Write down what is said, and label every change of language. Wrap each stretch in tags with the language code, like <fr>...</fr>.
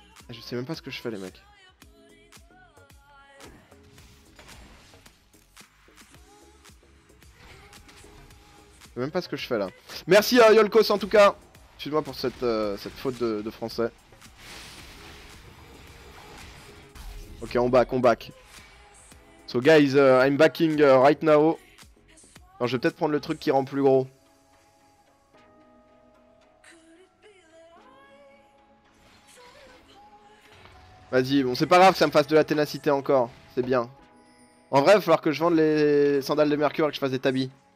<fr>Je sais même pas ce que je fais, les mecs. Même pas ce que je fais là. Merci à Yolkos en tout cas. Excuse-moi pour cette faute de français.</fr> <en>Ok, on back. So guys, I'm backing right now.</en> <fr>Non, je vais peut-être prendre le truc qui rend plus gros. Vas-y, bon c'est pas grave que ça me fasse de la ténacité encore. C'est bien. En vrai, il va falloir que je vende les sandales de Mercure et que je fasse des tabis.</fr>